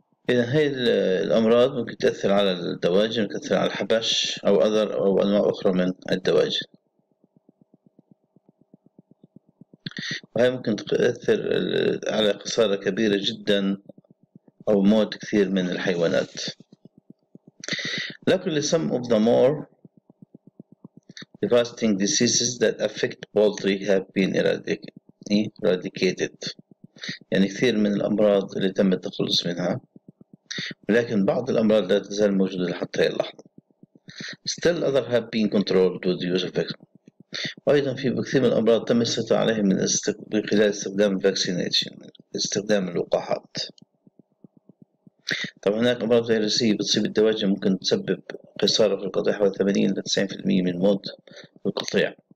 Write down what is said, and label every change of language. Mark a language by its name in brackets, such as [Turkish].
[Arabic] إذا هاي الأمراض ممكن تأثر على الدواجن، تأثر على الحبش أو أذر أو أنواع أخرى من الدواجن، وهي ممكن تأثر على خسارة كبيرة جدا أو موت كثير من الحيوانات. [English] Luckily, some of the more devastating diseases that affect poultry have been eradicated. [Arabic] يعني كثير من الأمراض اللي تم التخلص منها، ولكن بعض الأمراض لا تزال موجودة حتى هذه اللحظة. [English] Still other have been controlled with the use of vaccine. [Arabic] وأيضا في كثير من الأمراض تم السيطرة عليها من خلال استخدام vaccination، استخدام اللقاحات. طبعا هناك أمراض فيروسية بتصيب الدواجن ممكن تسبب خسارة في القطيع، حوالي 80 إلى 90% من موت القطيع.